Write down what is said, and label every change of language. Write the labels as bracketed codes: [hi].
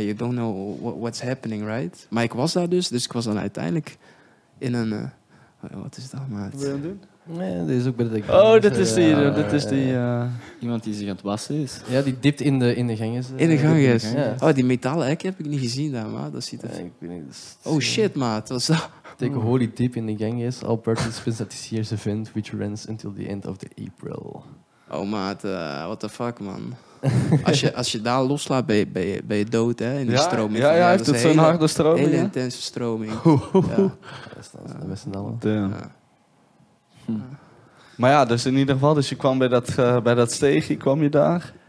[en] You don't know what's happening, right? [nl] Maar ik was daar dus. Dus ik was dan uiteindelijk in een... wat is dat, maat? Wat wil je aan doen? Nee, dit is ook bij de Ganges. Oh, dit is die. Iemand die zich aan het wassen is. Ja, die dipt in de Ganges. In de Ganges. Oh, die metalen hek heb ik niet gezien daar, maat. Dat ziet er... Oh shit, maat. Wat is dat? [en] Take a holy dip in the Ganges. All participants at this year's event, which runs until the end of the April. [nl] Oh, maat. [en] What the fuck, man. [nl] als je daar loslaat, ben je dood, hè? In de stroming. Ja, heeft het zo'n harde stroming. Hele intense stroming. Ja. Dat is dan wel. Damn. Maar dus in ieder geval, dus je kwam bij dat steegje, kwam je daar?